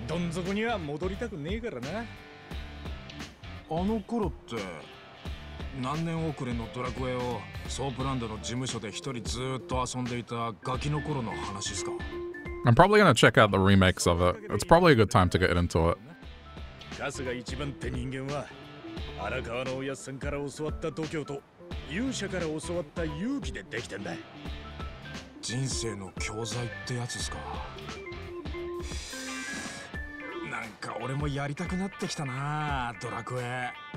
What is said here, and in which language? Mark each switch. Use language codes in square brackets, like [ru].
[ja] 今の話聞いたら、またどやされますよ。切り取り程度のしのぎで殺しなんかしちまったら、それこそ終わりだろう。俺、荒川のおやっさんがいて、頭がいて、おめえがいる今の暮らしが好きなんだよ。それを壊すようなことはしたくねえ。もうあの頃みてえな。どん底には戻りたくねえからな。 [en] I'm probably gonna check out the remakes of it. It's probably a good time to get into it. [ja] なんか俺もやりたくなってきたな、ドラクエ。